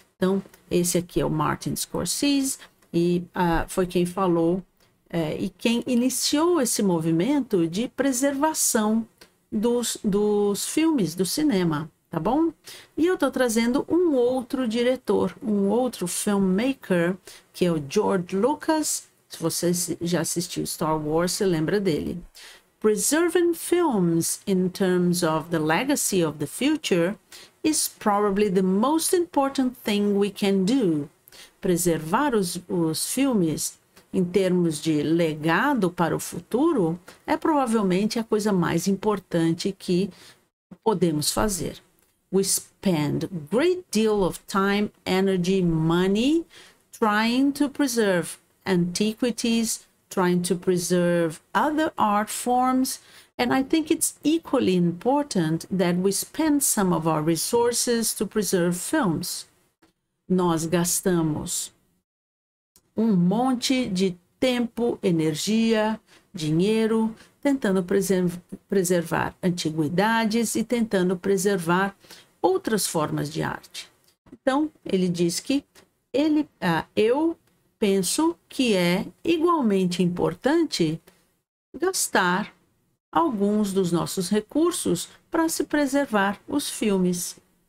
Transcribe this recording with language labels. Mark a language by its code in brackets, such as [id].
[pt] Então, esse aqui é o Martin Scorsese e foi quem falou e quem iniciou esse movimento de preservação dos filmes do cinema, tá bom? E eu estou trazendo um outro diretor, um outro filmmaker, que é o George Lucas. Se você já assistiu Star Wars, você lembra dele. [en] Preserving films in terms of the legacy of the future is probably the most important thing we can do. [pt] Preservar os filmes em termos de legado para o futuro é provavelmente a coisa mais importante que podemos fazer. [en] We spend a great deal of time, energy, money trying to preserve antiquities, trying to preserve other art forms, and I think it's equally important that we spend some of our resources to preserve films. [pt] Nós gastamos um monte de tempo, energia, dinheiro, tentando preservar antiguidades e tentando preservar outras formas de arte. Então, ele diz que eu penso que é igualmente importante gastar alguns dos nossos recursos para se preservar os filmes.